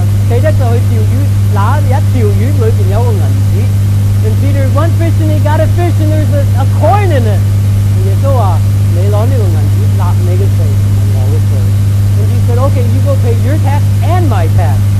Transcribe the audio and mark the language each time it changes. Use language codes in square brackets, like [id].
[zh] 彼得就去釣魚,拿一條魚裡面有個銀紙, [en] and Peter went fishing, he got a fish and there's a coin in it. [zh] 耶穌說,你拿這個銀紙,拿你的稅,我的稅, [en] and he said, okay, you go pay your tax and my tax.